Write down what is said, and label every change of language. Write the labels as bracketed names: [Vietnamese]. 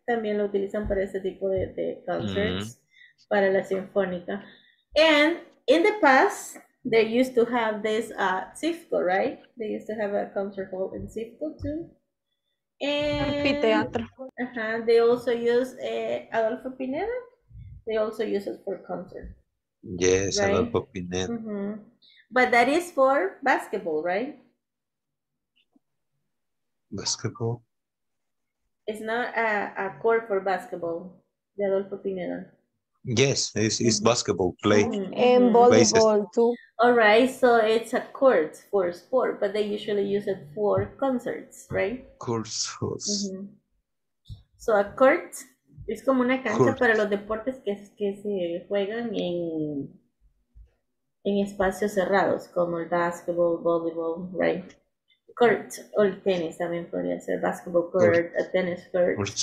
[Spanish] También lo utilizan para ese tipo de concerts, para la sinfónica. [English] And in the past, they used to have this CIFCO, right? They used to have a concert hall in CIFCO too. Amphitheater. Uh-huh. They also use Adolfo Pineda. They also use it for concert. Yes, right? Adolfo Pineda. Mm-hmm. But that is for basketball, right? Basketball? It's not a court for basketball, the Adolfo Pineda. Yes, it's basketball play. And volleyball too. All right, so it's a court for sport, but they usually use it for concerts, right? Courts. So a court is [Spanish] como una cancha court para los deportes que se juegan en espacios cerrados, como el basketball, volleyball, right? Court o el tennis también podría ser basketball court, a tennis court.